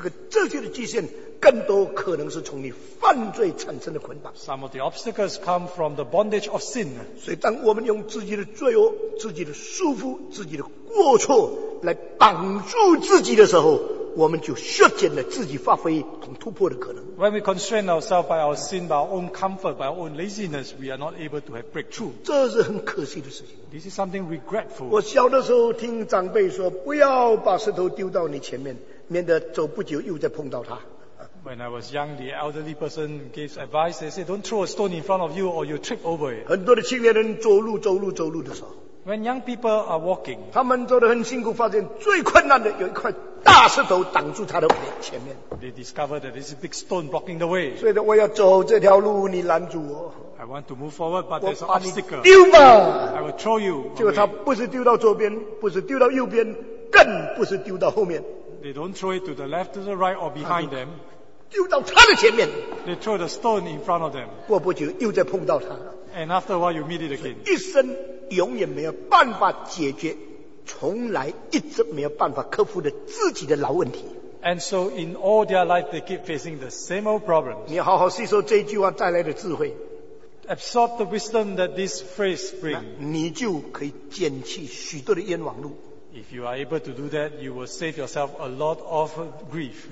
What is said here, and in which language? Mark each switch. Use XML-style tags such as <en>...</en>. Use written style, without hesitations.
<zh>这些的局限更多可能是从你犯罪产生的捆绑。</zh> <en>Some of the obstacles come from the bondage of sin.</en> <zh>所以当我们用自己的罪恶、自己的束缚、自己的过错来绑住自己的时候，我们就削减了自己发挥和突破的可能。</zh> <en>When we constrain ourselves by our sin, by our own comfort, by our own laziness, we are not able to have breakthrough.</en> <zh>这是很可惜的事情。</zh> <en>This is something regretful.</en> <zh>我小的时候听长辈说，不要把石头丢到你前面，免得走不久又再碰到它。</zh> <en>When I was young, the elderly person gave advice. They said, "Don't throw a stone in front of you, or you'll trip over it."</en> <zh>很多的青年人走路的时候。</zh> <en>When young people are walking,</en> <zh>他们走得很辛苦，发现最困难的有一块大石头挡住他的前面。</zh> <en>They discovered that there's a big stone blocking the way.</en> <zh>所以我要走这条路，你拦住我。</zh> <en>I want to move forward, but there's an obstacle.</en> <zh>丢吧</zh> <en>！I will throw you.</en> <zh>结果他不是丢到左边，不是丢到右边，更不是丢到后面。</zh> <en>They don't throw it to the left, to the right, or behind them.</en> <zh>丢到他的前面。</zh> <en>They throw the stone in front of them.</en> <zh>过不久又再碰到他。</zh> <en>And after a while, you meet it again.</en> <zh>一生永远没有办法解决，从来一直没有办法克服的自己的老问题。</zh> <en>And so in all their life, they keep facing the same old problems.</en> <zh>你好好吸收这句话带来的智慧。</zh> <en>Absorb the wisdom that this phrase brings.</en> <zh>你就可以减去许多的冤枉路。</zh> <en>If you are able to do that, you will save yourself a lot of grief.</en>